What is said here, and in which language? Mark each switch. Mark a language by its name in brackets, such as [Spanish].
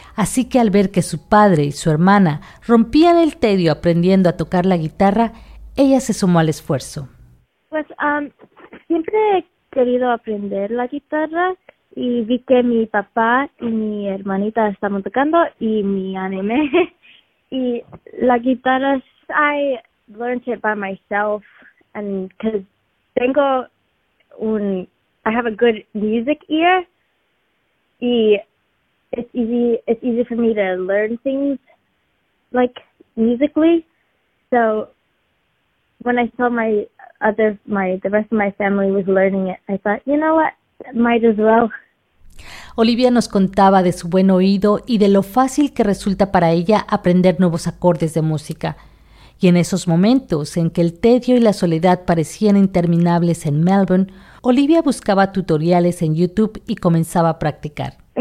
[Spanish] Así que al ver que su padre y su hermana rompían el tedio aprendiendo a tocar la guitarra, ella se sumó al esfuerzo. Pues siempre he querido aprender la guitarra y vi que mi papá y mi hermanita estaban tocando y me animé. Y la guitarra, [English] I learned it by myself and because [Spanish] tengo un, [English] I have a good music ear, y it's easy for me to learn things, like, musically. So, when I saw the rest of my family was learning it, I thought, you know what, might as well. [Spanish] Olivia nos contaba de su buen oído y de lo fácil que resulta para ella aprender nuevos acordes de música. Y en esos momentos en que el tedio y la soledad parecían interminables en Melbourne, Olivia buscaba tutoriales en YouTube y comenzaba a practicar.